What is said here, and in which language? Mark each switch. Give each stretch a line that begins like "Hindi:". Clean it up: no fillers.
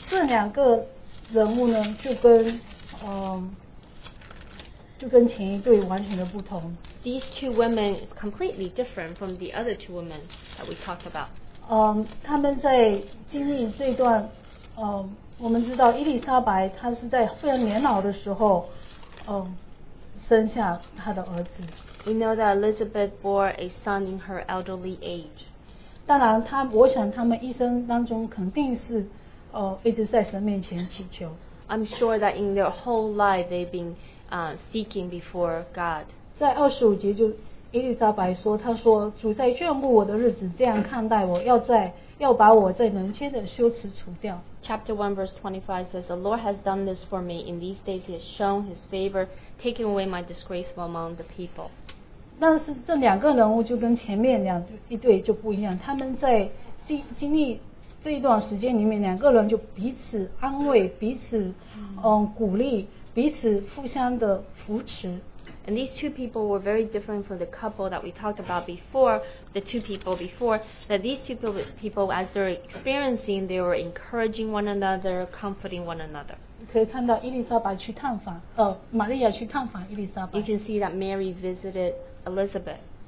Chinese: 这两个人物呢，就跟前一对完全的不同。
English: These two women is completely different from the other two women that we talked about.
Chinese: 他们在经历这段，我们知道伊丽莎白她是在非常年老的时候，生下她的儿子。
English: We know that Elizabeth bore a son in her elderly age.
Chinese: 当然，我想他们一生当中肯定是，一直在神面前祈求。
English: I'm sure that in their whole life they've been, seeking before God.
Chinese: 在二十五节就伊丽莎白说，她说主在眷顾我的日子这样看待我，要把我在门前的羞耻除掉。
English: Chapter 1 verse 25 says, The Lord has done this for me. In these days he has shown his favor, taking away my disgrace from among the people.
Chinese: 但是这两个人物就跟前面两一对就不一样，他们在经历这一段时间里面，两个人就彼此安慰，彼此鼓励，彼此互相的扶持。
English: And these two people were very different from the couple that we talked about before, the two people before, that these two people, as they're experiencing, they were encouraging one another, comforting one another. You can see that Mary visited Elizabeth.